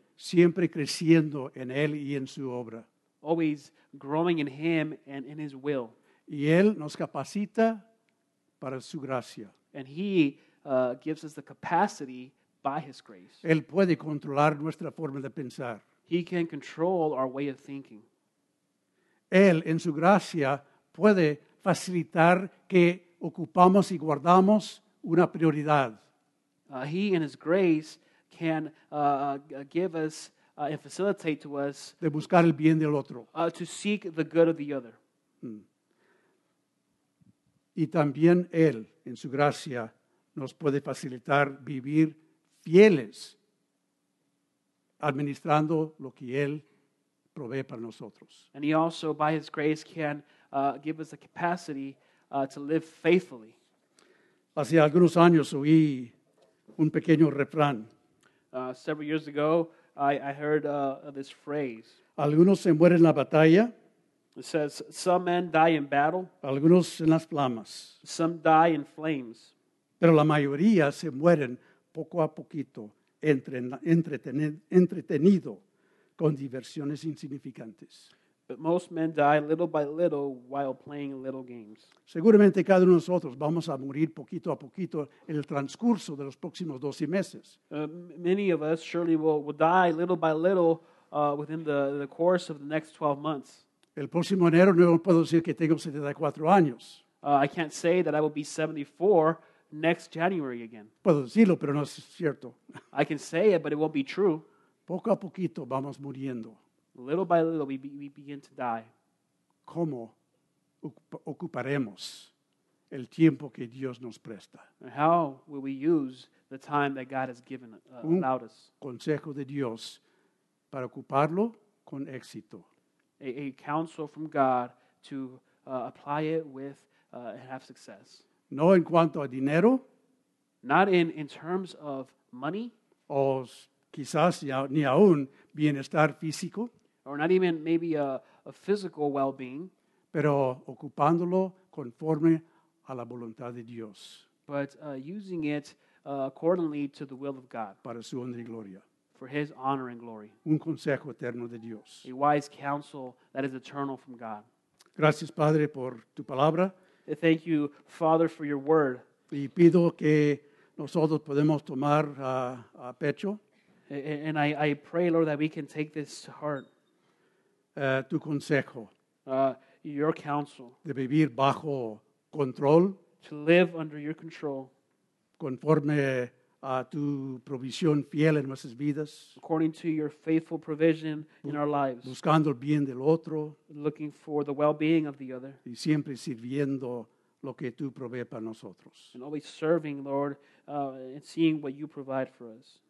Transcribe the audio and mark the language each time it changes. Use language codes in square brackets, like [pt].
[es] Siempre creciendo en Él y en su obra. [en] Always growing in Him and in His will. [es] Y Él nos capacita para su gracia. [en] And he gives us the capacity by his grace. [es] Él puede controlar nuestra forma de pensar. [en] He can control our way of thinking. [es] Él, en su gracia, puede facilitar que ocupamos y guardamos una prioridad. [en] He, in his grace, can give us and facilitate to us [es] de buscar el bien del otro. [en] To seek the good of the other. [es] Y también Él, en su gracia, nos puede facilitar vivir fieles, administrando lo que Él provee para nosotros. [en] And He also, by His grace, can give us the capacity to live faithfully. [es] Hace algunos años oí un pequeño refrán. [en] Several years ago, I heard this phrase. [es] Algunos se mueren en la batalla. [en] It says, some men die in battle. [es] Algunos en las flamas. [en] Some die in flames. [es] Pero la mayoría se mueren poco a poquito, entretenido con diversiones insignificantes. [en] But most men die little by little while playing little games. [es] Seguramente cada uno de nosotros vamos a morir poquito a poquito en el transcurso de los próximos 12 meses. [en] Many of us surely will die little by little within the course of the next 12 months. [es] El próximo enero no puedo decir que tengo 74 años. [en] I can't say that I will be 74 next January again. [es] Puedo decirlo, pero no es cierto. [en] I can say it, but it won't be true. [es] Poco a poquito vamos muriendo. [en] Little by little, we begin to die. [es] ¿Cómo ocuparemos el tiempo que Dios nos presta? [en] How will we use the time that God has given allowed us? [es] Un consejo de Dios para ocuparlo con éxito. [en] A counsel from God to apply it with and have success. [es] No en cuanto a dinero. [en] Not in terms of money. [es] O quizás ni aún bienestar físico. [en] Or not even maybe a physical well-being. [es] Pero ocupándolo conforme a la voluntad de Dios. [en] But using it accordingly to the will of God. [es] Para su honor y gloria. [en] For his honor and glory. [es] Un consejo eterno de Dios. [en] A wise counsel that is eternal from God. [es] Gracias, Padre, por tu palabra. [en] Thank you, Father, for your word. [es] Y pido que nosotros podemos tomar a pecho. [en] And I pray, Lord, that we can take this to heart. [es] Tu consejo. [en] Your counsel. [es] De vivir bajo control. [en] To live under your control. [es] Conforme a tu provisión fiel en nuestras vidas. [en] According to your faithful provision in our lives. [es] Buscando el bien del otro. [en] Looking for the well-being of the other. [es] Y siempre sirviendo lo que tú provees para nosotros. [en] And always serving, Lord, and seeing what you provide for us.